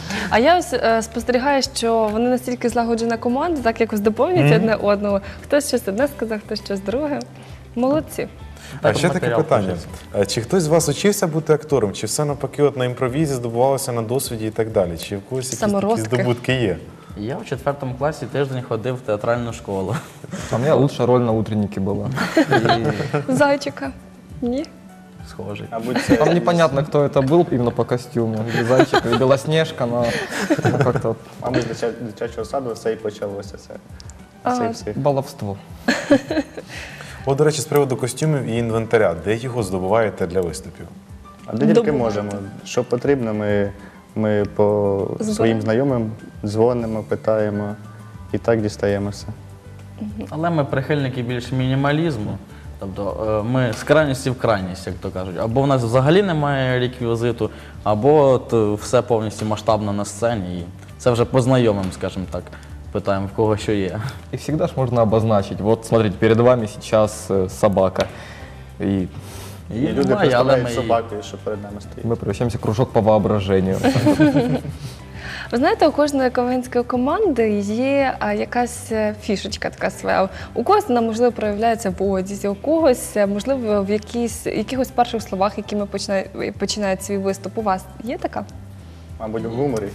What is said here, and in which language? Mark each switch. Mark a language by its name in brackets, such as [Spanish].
[Ukrainian] А я ось спостерігаю, що вони настільки злагоджена команда, так якось доповнюють одне одного. Хтось щось одне сказав, хтось щось друге. Молодці. А ще таке питання. Чи хтось з вас учився бути актором? Чи все навпаки на імпровізі здобувалося на досвіді і так далі? Чи в когось якісь такі здобутки є? Я в [Russian] четвертом классе [Ukrainian] тиждень ходив в театральну школу. [Russian] А у меня лучшая роль на утреннике была. [Ukrainian] Зайчика? Ні? Схожий. [Russian] Там непонятно, кто это был именно по костюму. Или зайчик, или Белоснежка, но как-то... А мы [Ukrainian] для дитячого саду все и почалося. [Russian] Баловство. [Ukrainian] От, до речі, з приводу костюмів і інвентаря, де його здобуваєте для виступів? А де тільки можемо. Що потрібно, ми по своїм знайомим дзвонимо, питаємо і так дістаємося. Але ми прихильники більш мінімалізму. Тобто ми з крайності в крайність, як то кажуть. Або в нас взагалі немає реквізиту, або все повністю масштабно на сцені. І це вже по знайомим, скажімо так. [Russian] Питаем, в кого еще я. И всегда ж можно обозначить. Вот, смотрите, перед вами сейчас собака. И люди представляют собаку, что перед нами стоит. Мы превращаемся в кружок по воображению. [Ukrainian] Ви знаєте, у кожної ковенської команди є якась фішечка така своя. У когось вона, можливо, проявляється в одязі, у когось, можливо, в якихось перших словах, якими починають свій виступ. У вас є така? Мабуть, в гуморі.